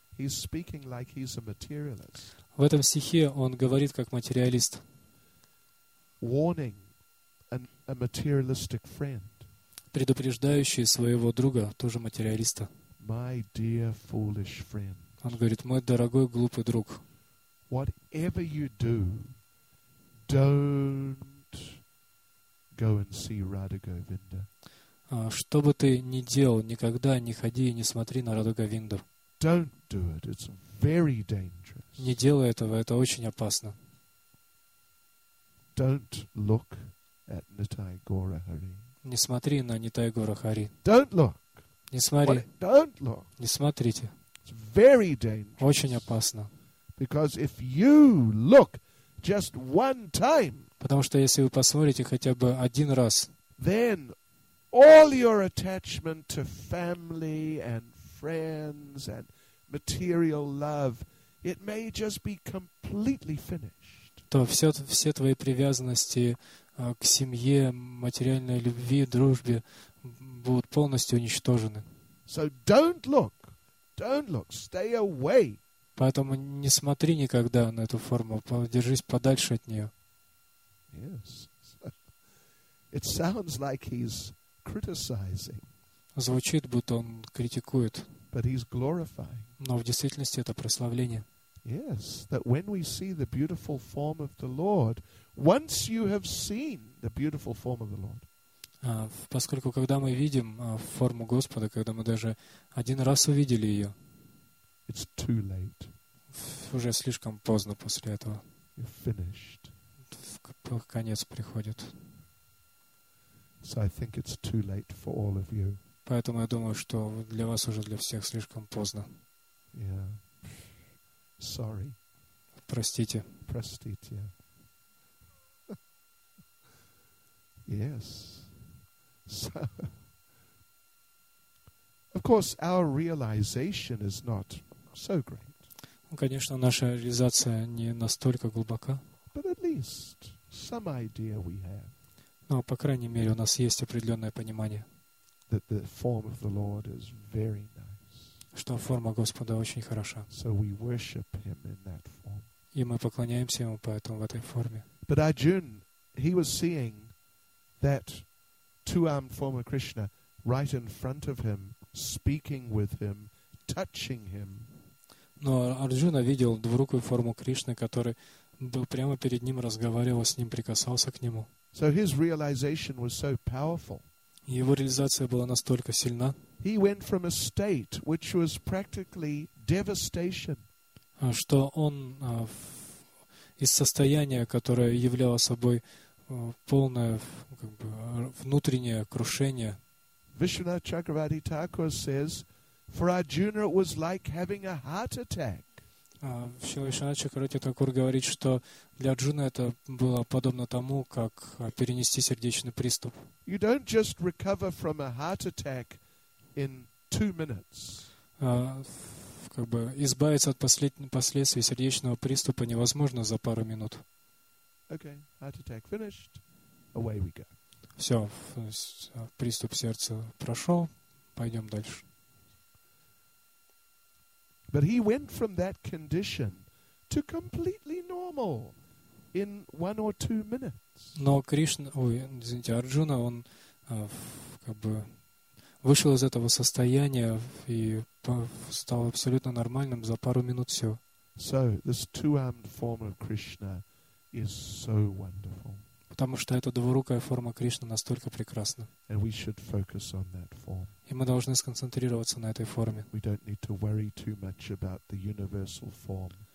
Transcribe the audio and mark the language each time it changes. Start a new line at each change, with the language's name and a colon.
English: He's speaking like he's a materialist.
Russian: В этом стихе он говорит как материалист.
English: Warning a materialistic friend.
Russian: Предупреждающий своего друга, тоже материалиста.
English: My dear foolish friend.
Russian: Он говорит: мой дорогой глупый друг.
English: Whatever you do, don't go and see Radha Govinda.
Russian: Что бы ты ни делал, никогда не ходи и не смотри на Раду Говинду.
English: Don't do it. It's very dangerous.
Russian: Не делай этого, это очень опасно.
English: Don't look at Nittai Gaura Hari.
Russian: Не смотри на Нитай Гора Хари.
English: Don't look.
Russian: Не смотри.
English: Don't look.
Russian: Не смотрите.
English: It's very dangerous.
Russian: Очень опасно.
English: Because if you look just one time,
Russian: потому что если вы посмотрите хотя бы один раз,
English: then all your attachment to family and friends and material love, it may just be completely finished.
Russian: То все твои привязанности к семье, материальной любви, дружбе будут полностью уничтожены.
English: So don't look. Don't look. Stay away.
Russian: Поэтому не смотри никогда на эту форму. Держись подальше от нее.
English: Yes. It sounds like he's criticizing.
Russian: Звучит, будто он критикует.
English: But he's glorifying.
Russian: Но в действительности это прославление.
English: Yes, that when we see the beautiful form of the Lord, once you have seen the beautiful form of the Lord.
Russian: Поскольку когда мы видим форму Господа, когда мы даже один раз увидели ее,
English: it's too late.
Russian: Уже слишком поздно после этого.
English: You're finished.
Russian: Конец приходит.
English: So I think it's too late for all of you.
Russian: Поэтому я думаю, что для вас уже для всех слишком поздно.
English: Yeah. Sorry.
Russian: Простите. Простите.
English: Yes. So, of course, our realization is not so great.
Russian: Конечно, наша реализация не настолько глубока.
English: But at least some idea we have.
Russian: Но по крайней мере у нас есть определенное понимание.
English: That the form of the Lord is very nice.
Russian: Что форма Господа очень хороша.
English: So we worship him in that form.
Russian: И мы поклоняемся ему поэтому в этой форме.
English: But Arjun, he was seeing that two-armed form of Krishna right in front of him, speaking with him, touching him.
Russian: Но Арджуна видел двурукую форму Кришны, который был прямо перед ним, разговаривал с ним, прикасался к нему.
English: So his realization was so powerful.
Russian: Его реализация была настолько сильна.
English: He went from a state which was practically devastation.
Russian: Что он из состояния, которое являло собой полное как бы внутреннее крушение.
English: Вишванатх Чакраварти Тхакур says, for Arjuna it was like having a heart attack.
Russian: Вишванатх Чакраварти Тхакур говорит, что для Арджуны это было подобно тому, как перенести сердечный приступ.
English: You don't just recover from a heart attack in 2 minutes.
Russian: Как бы избавиться от последствий сердечного приступа невозможно за пару минут.
English: Okay, heart attack finished. Away we go.
Russian: Все, приступ сердца прошел, пойдем дальше.
English: But he went from that condition to completely normal in 1 or 2 minutes.
Russian: Но Кришна, Арджуна, он как бы вышел из этого состояния и стал абсолютно нормальным за пару минут все.
English: So this two-armed form of Krishna is so wonderful.
Russian: Потому что эта двурукая форма Кришны настолько прекрасна.
English: And we should focus on that form.
Russian: И мы должны сконцентрироваться на этой форме.
English: We don't need to worry too much about the universal form.